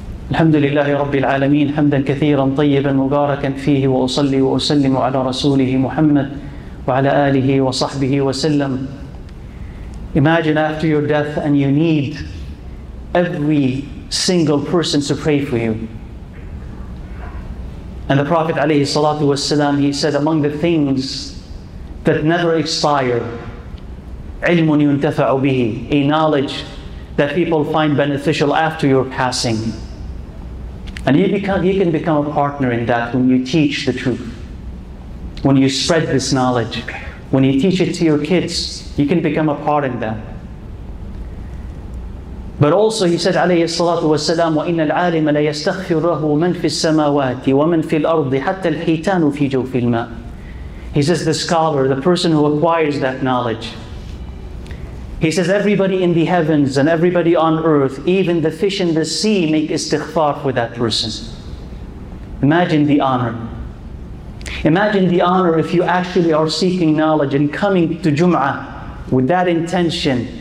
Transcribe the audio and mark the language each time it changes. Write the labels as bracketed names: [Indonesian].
[Arabic] الحمد لله رب العالمين حمدا كثيرا طيبا مباركا فيه وأصلي وأسلم على رسوله محمد وعلى آله وصحبه وسلم. [English] Imagine after your death and you need every single person to pray for you. And the Prophet [Arabic] عليه الصلاة والسلام, [English] he said, among the things that never expire, [Arabic] علم ينتفع به, [English] a knowledge that people find beneficial after your passing. And you can become a partner in that when you teach the truth, when you spread this knowledge, when you teach it to your kids, you can become a part in that. But also he said, [Arabic] عليه الصلاة والسلام, وَإِنَّ الْعَالِمَ لَيَسْتَغْفِرَهُ مَنْ فِي السَّمَاوَاتِ وَمَنْ فِي الْأَرْضِ حَتَّى الْحِيتَانُ فِي جَوْفِ الْمَاءِ. [English] He says, the scholar, the person who acquires that knowledge, he says, everybody in the heavens and everybody on earth, even the fish in the sea, make istighfar for that person. Imagine the honor. Imagine the honor if you actually are seeking knowledge and coming to Jum'ah with that intention